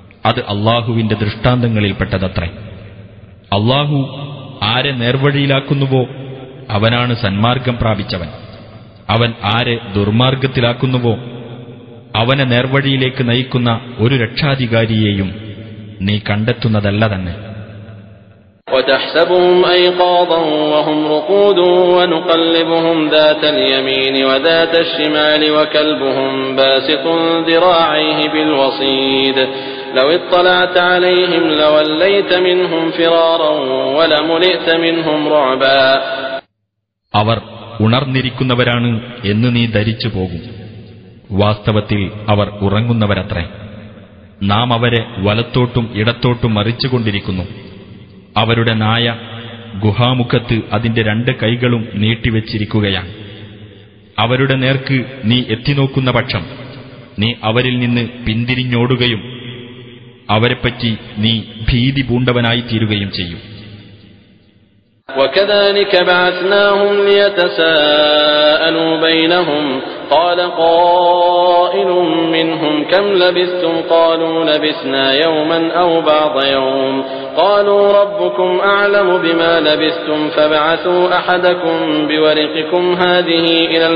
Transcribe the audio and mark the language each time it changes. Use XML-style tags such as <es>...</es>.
<ml>അത് അള്ളാഹുവിന്റെ ദൃഷ്ടാന്തങ്ങളിൽപ്പെട്ടതത്രേ. അള്ളാഹു ആരെ നേർവഴിയിലാക്കുന്നുവോ അവനാണ് സന്മാർഗം പ്രാപിച്ചവൻ. അവൻ ആരെ ദുർമാർഗത്തിലാക്കുന്നുവോ അവനെ നേർവഴിയിലേക്ക് നയിക്കുന്ന ഒരു രക്ഷാധികാരിയെയും നീ കണ്ടെത്തുന്നതല്ല തന്നെ.</ml> <ar>وتحسبهم أيقاظا وهم رقود ونقلبهم ذات اليمين وذات الشمال وكلبهم باسط ذراعيه بالوصيد لو اطلعت عليهم لوليت منهم فرارا ولملئت منهم رعبا</ar> <ml>അവർ ഉണർന്നിരിക്കുന്നവരാണ് എന്ന് നീ ധരിച്ചു പോകും. വാസ്തവത്തിൽ അവർ ഉറങ്ങുന്നവരത്രേ. നാം അവരെ വലത്തോട്ടും ഇടത്തോട്ടും മറിച്ചുകൊണ്ടിരിക്കുന്നു. അവരുടെ നായ ഗുഹാമുഖത്ത് അതിന്റെ രണ്ട് കൈകളും നീട്ടിവെച്ചിരിക്കുകയാണ്. അവരുടെ നേർക്ക് നീ എത്തിനോക്കുന്ന പക്ഷം നീ അവരിൽ നിന്ന് പിന്തിരിഞ്ഞോടുകയും അവരെപ്പറ്റി നീ ഭീതി പൂണ്ടവനായിത്തീരുകയും ചെയ്യും.</ml> <ar>وكذلك بعثناهم ليتساءلوا بينهم قال قائل منهم كم لبثتم قالوا لبثنا يوما او بعض يوم قالوا ربكم اعلم بما لبثتم فبعثوا احدكم بورقكم هذه</ar>